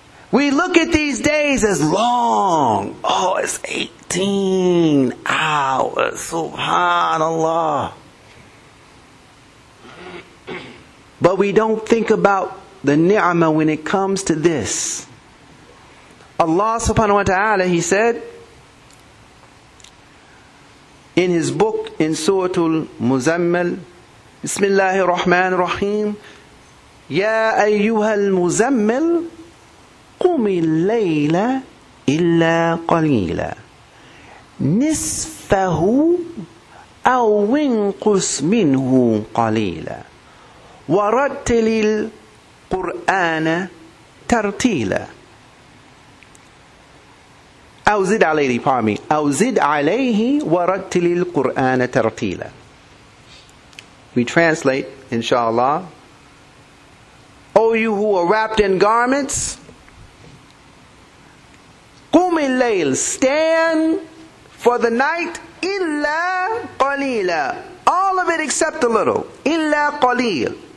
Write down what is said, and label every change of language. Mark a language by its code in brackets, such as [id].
[en] We look at these days as long. Oh, it's 18 hours. [ar] Subhanallah. [en] But we don't think about the ni'mah when it comes to this. [ar] Allah subhanahu wa ta'ala, [en] He said in His book in [ar] Surah Al-Muzammil, Bismillahir Rahmanir Rahim, Ya ayyuhal muzammil, قم الليل إلا قليلا نصفه أو انقص منه قليلا ورتل القرآن ترتيلا أو زد عليه فامي أو زد عليه ورتل القرآن ترتيلا. [en] We translate, inshallah. O you who are wrapped in garments, [ar] قُمْ اللَّيْلِ, [en] stand for the night, [ar] إِلَّا قَلِيلًا, [en] all of it except a little, إِلَّا قَلِيلًا,